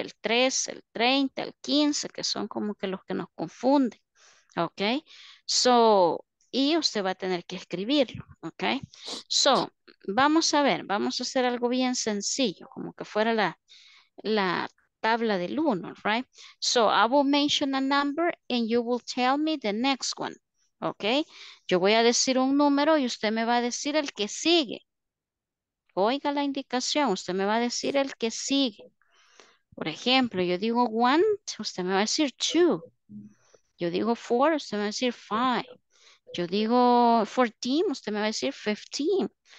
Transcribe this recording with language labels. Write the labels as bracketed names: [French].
[Spanish] El 3, el 30, el 15, que son como que los que nos confunden. ¿Ok? So, y usted va a tener que escribirlo. ¿Ok? So, vamos a ver, vamos a hacer algo bien sencillo, como que fuera la tabla del 1, ¿right? [English] So, I will mention a number and you will tell me the next one. ¿Ok? [Spanish] Yo voy a decir un número y usted me va a decir el que sigue. Oiga la indicación, usted me va a decir el que sigue. Por ejemplo, yo digo one, usted me va a decir two. Yo digo four, usted me va a decir five. Yo digo 14, usted me va a decir 15.